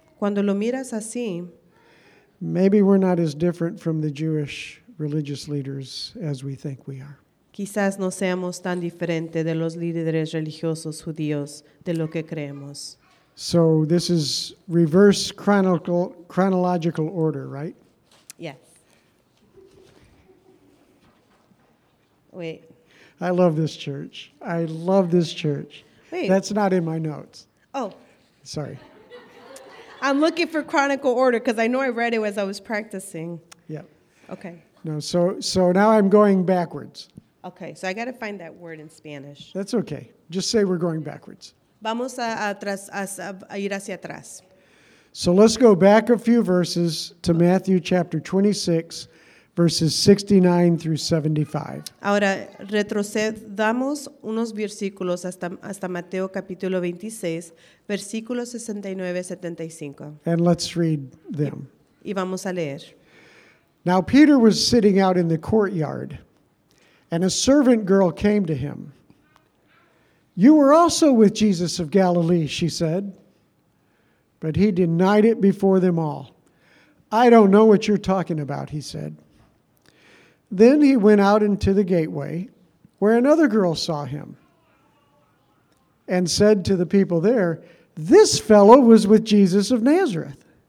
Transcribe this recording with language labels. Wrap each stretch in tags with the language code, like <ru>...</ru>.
<es>cuando lo miras así,</es> <en>maybe we're not as different from the Jewish religious leaders as we think we are.</en> <es>Quizás no seamos tan diferentes de los líderes religiosos judíos de lo que creemos.</es> <en>So this is reverse chronological order, right? Yes. Wait. I love this church. I love this church. Wait. That's not in my notes. Oh. Sorry. I'm looking for chronological order because I know I read it as I was practicing. Yeah. Okay. No, so now I'm going backwards. Okay, so I got to find that word in Spanish. That's okay. Just say we're going backwards.</en> <es>Vamos a ir hacia atrás.</es> <en>So let's go back a few verses to Matthew chapter 26, verses 69 through 75.</en> <es>Ahora retrocedamos unos versículos hasta Mateo capítulo 26, versículos 69-75.</es> <en>And let's read them.</en> <es>Y vamos a leer.</es> <en>Now Peter was sitting out in the courtyard, and a servant girl came to him. You were also with Jesus of Galilee, she said. But he denied it before them all. I don't know what you're talking about, he said. Then he went out into the gateway, where another girl saw him, and said to the people there, this fellow was with Jesus of Nazareth.</en>